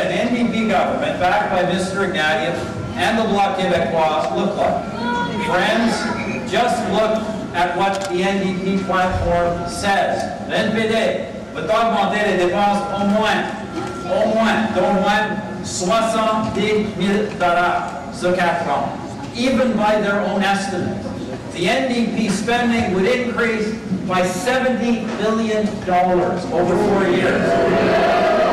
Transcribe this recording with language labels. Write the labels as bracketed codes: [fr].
[en] Backed by Mr. Ignatieff and the Bloc Québécois look like? Friends, just look at what the NDP platform says. [fr] L'NPD va augmenter les dépenses au moins 70 000 dollars sur 4 ans. [en] Even by their own estimates, the NDP spending would increase by $70 billion over 4 years.